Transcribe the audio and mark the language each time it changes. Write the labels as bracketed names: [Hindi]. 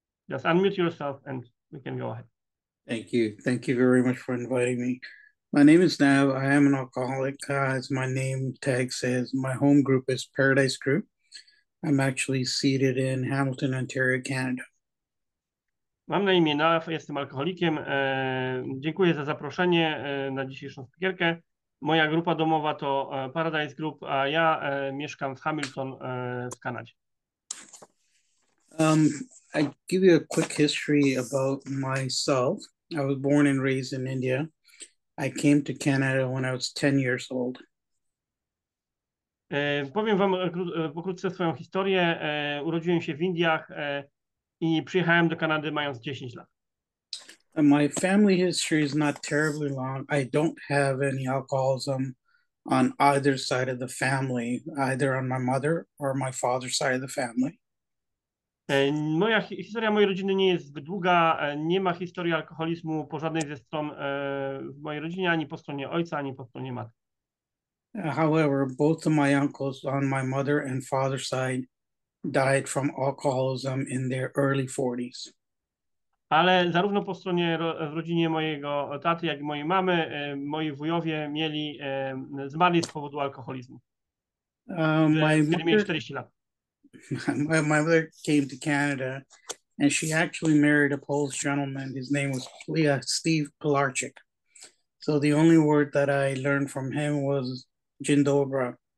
[English] Just unmute yourself and we can go ahead. Thank you. Thank you very much for inviting me. My name is Nav. I am an alcoholic. As my name tag says, my home group is Paradise Group. I'm actually seated in Hamilton, Ontario, Canada. [Polish] Mam na imię Naw, jestem alkoholikiem. Dziękuję za zaproszenie na dzisiejszą spikierkę. Moja grupa domowa to Paradise Group, a ja mieszkam w Hamilton w Kanadzie. [English] I give you a quick history about myself. I was born and raised in India. I came to Canada when I was 10 years old. [Polish] Powiem wam pokrótce swoją historię. Urodziłem się w Indiach i przyjechałem do Kanady mając 10 lat. [English] My family history is not terribly long. I don't have any alcoholism on either side of the family, either on my mother or my father's side of the family. [Polish] Moja historia mojej rodziny nie jest zbyt długa. Nie ma historii alkoholizmu po żadnej ze stron w mojej rodzinie, ani po stronie ojca, ani po stronie matki. [English] However, both of my uncles on my mother and father's side died from alcoholism in their early 40s. [Polish] Ale zarówno po stronie w rodzinie mojego taty, jak i mojej mamy, moi wujowie mieli zmarli z powodu alkoholizmu, kiedy mieli 40 lat. [English] My mother came to Canada and she actually married a Polish gentleman. His name was Steve Pilarczyk. So the only word that I learned from him was [Polish] dzień dobry.